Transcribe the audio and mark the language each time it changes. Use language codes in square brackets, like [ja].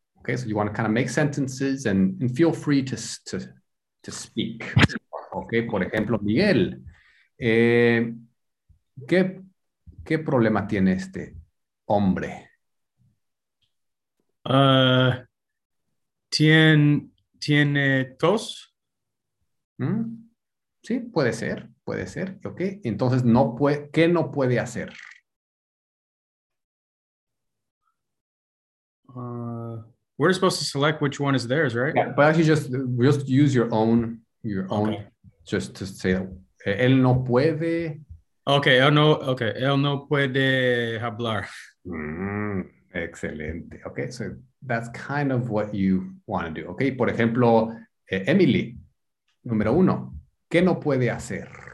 [en] Okay, so you want to kind of make sentences and feel free to speak. [es] Okay, por ejemplo, Miguel, ¿qué problema tiene este hombre? ¿Tiene tos? Sí, puede ser. Okay, entonces, ¿qué no puede hacer? [en] We're supposed to select which one is theirs, right? Yeah, but actually just use your own, okay. Just to say that. [es] Él no puede. Okay, él no puede hablar. Excelente. [en] Okay, so that's kind of what you want to do. [es] Okay, por ejemplo, Emily, número uno, ¿qué no puede hacer?